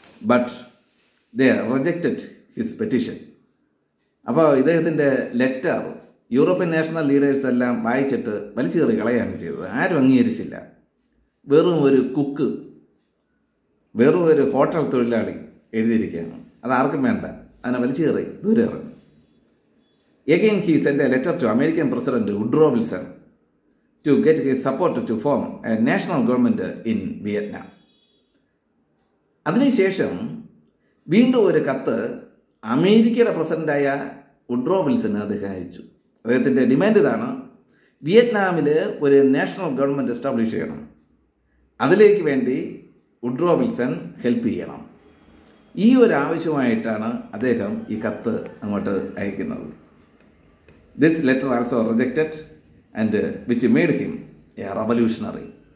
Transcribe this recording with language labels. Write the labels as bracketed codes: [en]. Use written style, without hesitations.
[en] But they rejected his petition. [ml] അപ്പോൾ ഇദ്ദേഹത്തിൻ്റെ letter European national leaders എല്ലാം വായിച്ചിട്ട് വലിച്ചേറി കളയാണ് ചെയ്തത്. ആരും അംഗീകരിച്ചില്ല. വെറും ഒരു കുക്ക്, വെറും ഒരു ഹോട്ടൽ തൊഴിലാളി എഴുതിയിരിക്കുകയാണ്, അതാർക്കും വേണ്ട, അതിനെ വലിച്ചേറി ദൂരെ ഇറങ്ങി. [en] Again, he sent a letter to American President Woodrow Wilson to get his support to form a national government in Vietnam. [ml] അതിനുശേഷം വീണ്ടും ഒരു കത്ത് അമേരിക്കയുടെ പ്രസിഡൻ്റായ വുഡ്രോ വിൽസന് അദ്ദേഹം അയച്ചു. അദ്ദേഹത്തിൻ്റെ ഡിമാൻഡ് ഇതാണ്, വിയറ്റ്നാമിൽ ഒരു നാഷണൽ ഗവൺമെൻറ് എസ്റ്റാബ്ലിഷ് ചെയ്യണം, അതിലേക്ക് വേണ്ടി വുഡ്രോ വിൽസൺ ഹെൽപ്പ് ചെയ്യണം. ഈ ഒരു ആവശ്യമായിട്ടാണ് അദ്ദേഹം ഈ കത്ത് അങ്ങോട്ട് അയക്കുന്നത്. [en] This letter also rejected and which made him a revolutionary.